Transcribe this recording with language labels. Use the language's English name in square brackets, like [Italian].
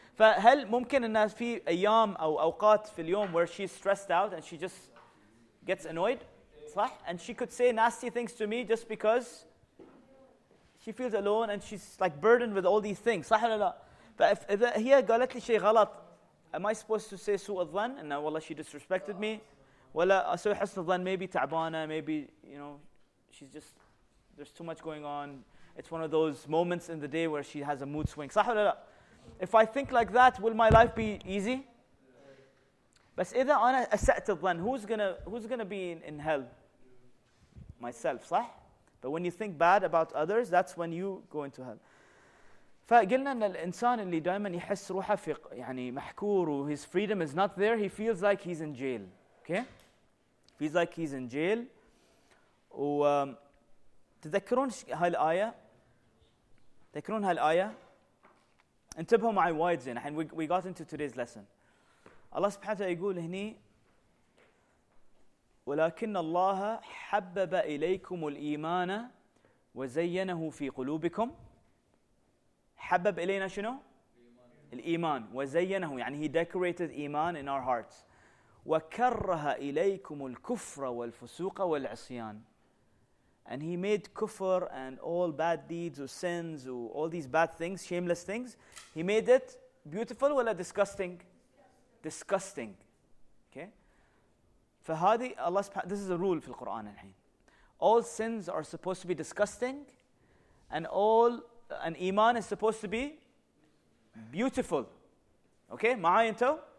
[Arabic] فهل ممكن أن في أيام أو أوقات في اليوم [English] where she's stressed out and she just gets annoyed, [Arabic] صح? [English] And she could say nasty things to me just because she feels alone and she's like burdened with all these things, [Arabic] صح ولا لا? فإذا هي قالت لي شيء غلط, [English] am I supposed to say [Arabic] سوء الظن? [English] And now, والله she disrespected me, [Arabic] ولا سوء حسن الظن, [English] maybe تعبانة, maybe you know she's just there's too much going on. It's one of those moments in the day where she has a mood swing, [Arabic] صح ولا لا? [English] If I think like that, will my life be easy? [Arabic] بس إذا أنا أسأت الظن, [English] who's gonna be in hell? Myself, صح? But when you think bad about others, that's when you go into hell. [Arabic] فقلنا أن الإنسان اللي دائما يحس روحه في يعني محكور, [English] his freedom is not there, he feels like he's in jail. Okay? Feels like he's in jail. [Arabic] تذكرون هالآية؟ تذكرون هالآية؟ انتبهوا معي وايد زين. [English] الحين we got into today's lesson. [Arabic] الله سبحانه وتعالى يقول هني ولكن الله حبب إليكم الإيمان وزينه في قلوبكم. حبب إلينا شنو؟ الإيمان. وزينه يعني [English] he decorated [Arabic] إيمان in our hearts. وكره إليكم الكفر والفسوق والعصيان. [English] And he made kufr and all bad deeds or sins or all these bad things, shameless things. He made it beautiful or disgusting? Disgusting. Okay? فهذه Allah subhanahu, this is a rule [Arabic] في القرآن الحين. [English] All sins are supposed to be disgusting and iman is supposed to be beautiful. Okay? [Arabic] معاي انتو?